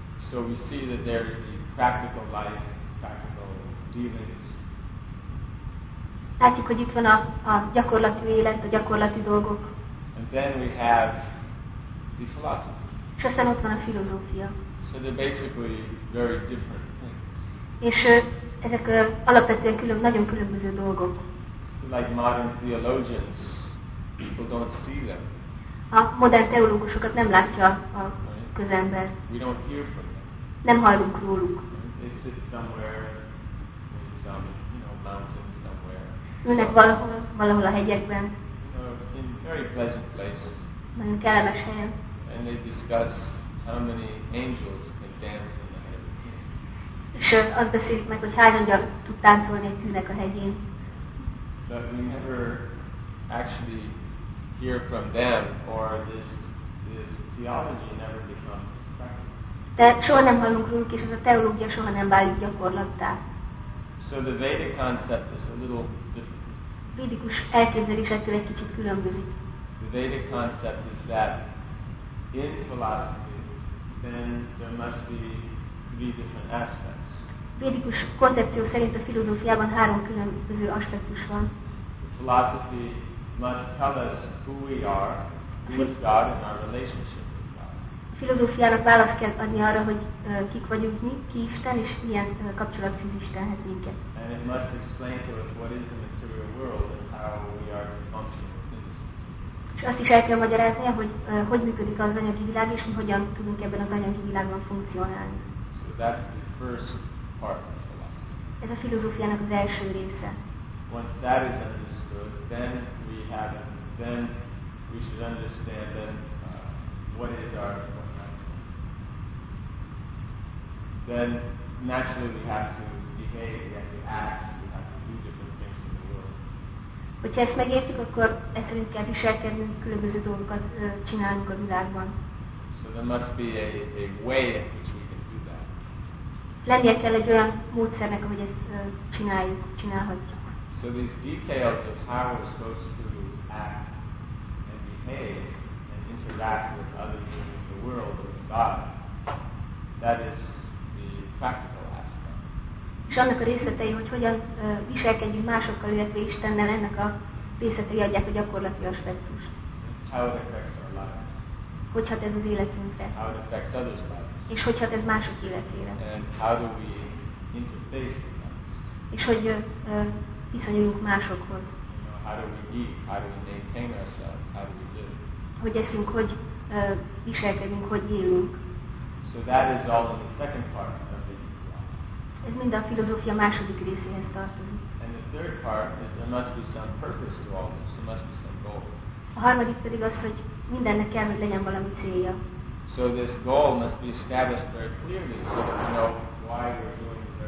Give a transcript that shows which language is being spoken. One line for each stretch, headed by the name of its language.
English: So we see that there is the practical life, practical dealings.
Hungarian: Látjuk, hogy itt van a gyakorlati élet, a gyakorlati dolgok.
English: And then we have the philosophy.
Hungarian: És aztán ott van a filozófia.
English: So they're basically very different things.
Hungarian: És ezek alapvetően nagyon különböző dolgok.
English: So like modern theologians, people don't see them.
Hungarian: A modern teológusokat nem látja a közember.
English: We don't hear from them.
Hungarian: Nem hallunk róluk.
English: They sit somewhere in some, you know, mountain somewhere.
Hungarian: Ülnek valahol a hegyekben.
English: In very pleasant place.
Hungarian: Nagyon kellemes helyen.
English: And they discuss how many angels can dance in the head.
Hungarian: És azt beszélik meg, hogy hány angyal tud táncolni egy tűnek a hegyén.
English: But we never actually hear from them, or this theology never becomes practical.
Hungarian: De soha nem hallunk róluk, és ez a teológia soha nem válik gyakorlattá.
English: So the Vedic concept is a little different.
Hungarian: Védikus elképzelés ettől egy kicsit különbözik.
English: The Vedic concept is that in philosophy, then there must be three different aspects.
Hungarian: Védikus koncepció szerint a filozófiában három különböző aspektus van.
English: The philosophy must tell us who we are, who is God, and our relationship with God.
Hungarian: A filozófiának választ kell adni arra, hogy kik vagyunk mi, ki Isten, és milyen kapcsolat fűz Istenhez minket.
English: And it must explain to us what is the material world and how we are to function within this.
Hungarian: És azt is el kell magyarázni, hogy hogy működik az anyagi világ, és mi hogyan tudunk ebben az anyagi világban funkcionálni.
English: So that's the first part of philosophy.
Hungarian: Ez a filozófiának az első része.
English: Once that is understood, then we have it. Then we should understand then what is our then naturally we have to behave, we have to act, we have to do different things in the world.
Hungarian: Hogyha ezt megértjük, akkor ezt szerint kell viselkednünk, különböző dolgokat csinálunk a világban.
English: So there must be a way in which we can do that.
Hungarian: Lennie kell egy olyan módszernek, ahogy ezt csináljuk, csinálhatjuk.
English: So these details of how we're supposed to act and behave and interact with other people in the world or with God, that is the practical aspect.
Hungarian: És annak a részletei, hogy hogyan viselkedjünk másokkal, illetve Istennel, ennek a részletei adják a gyakorlati aspektust.
English: How it affects our lives.
Hungarian: Hogy hat ez az életünkre.
English: How it affects others' lives.
Hungarian: És hogy hat ez mások életére.
English: And how do we interface with them?
Hungarian: És hogy viszonyulunk másokhoz.
English: How do we eat? How do we maintain ourselves? How do we live?
Hungarian: Hogy eszünk, hogy viselkedünk, hogy élünk.
English: So that is all in the second part of the philosophy.
Hungarian: Ez mind a filozófia második részéhez tartozik.
English: And the third part is there must be some purpose to all this. There must be some goal.
Hungarian: A harmadik pedig az, hogy mindennek kell, hogy legyen valami célja.
English: So this goal must be established very clearly so that we know why we're doing.